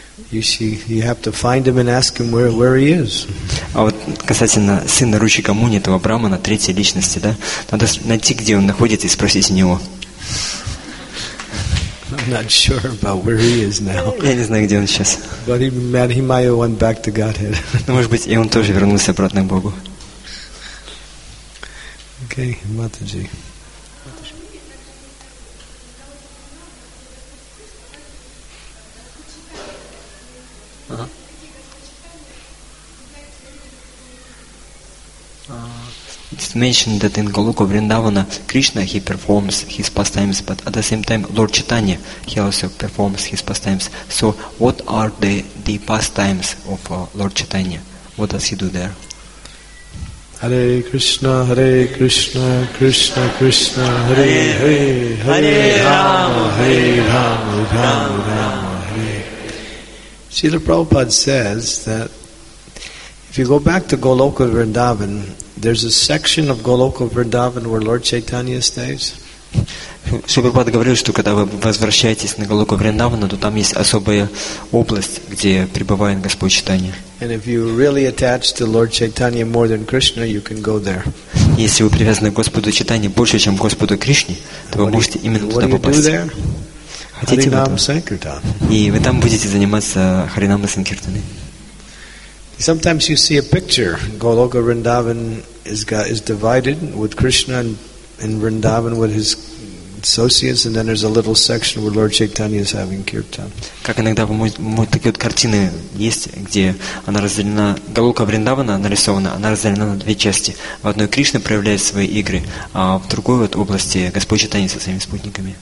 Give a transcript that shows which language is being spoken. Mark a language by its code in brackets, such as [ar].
[en] You have to find him and ask him where he is. [ru] А вот касательно сына Ручика Муни, этого брахмана, третьей личности, да, надо найти, где он находится, и спросить у него. [en] I'm not sure about where he is now. [ru] Я не знаю, где он сейчас. [en] But he might have went back to Godhead. [ru] Ну, может быть, и он тоже вернулся обратно к Богу. [en] Okay, Mataji. It's mentioned that in Goloka Vrindavana, Krishna, he performs his pastimes, but at the same time, Lord Chaitanya, he also performs his pastimes. So, what are the pastimes of Lord Chaitanya? What does he do there? [sa] Hare Krishna, Hare Krishna, Krishna Krishna, Hare Hare, Hare Rama, Hare Rama, Rama Rama, Hare. [en] Srila Prabhupada says that if you go back to Goloka Vrindavan, there's a section of Goloka Vrindavan where Lord Chaitanya stays. [ru] Шрила говорил, что когда вы возвращаетесь на Голоку Вриндавана, то там есть особая область, где пребывает Господь Чайтанья. [en] And if you really attach to Lord Chaitanya more than Krishna, you can go there. [ru] Если вы привязаны к Господу Чайтанье больше, чем к Господу Кришне, то вы можете именно туда попасть. [en] What do you do there? [ru] Хотите Харинам Санкиртан. И вы там будете заниматься Харинам Санкиртаной. [en] Sometimes you see a picture. Goloka Vrindavan is divided with Krishna and Vrindavan with his associates, and then there's a little section where Lord Chaitanya is having kirtan. [ru] Как иногда бывают такие вот картины есть, где она разделена. Голока Вриндавана нарисована, она разделена на две части. В одной Кришна проявляет свои игры, а в другой вот области Господь Чайтанья со своими спутниками.